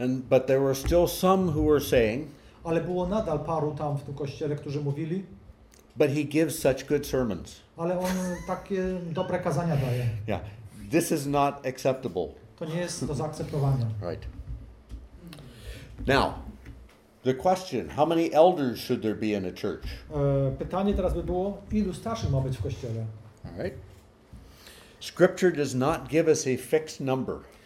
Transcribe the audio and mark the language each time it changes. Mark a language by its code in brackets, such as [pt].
[en] But there were still some who were saying. [pl] Ale było nadal paru tam w tym kościele, którzy mówili. [en] But he gives such good sermons. [pl] Ale on takie dobre kazania daje. [en] Yeah. This is not acceptable. [pl] To nie jest do zaakceptowania. [en] Right. Now, the question, how many elders should there be in a church? [pl] Pytanie teraz by było, ilu starszych ma być w kościele? [en] All right. Scripture does not give us a fixed number.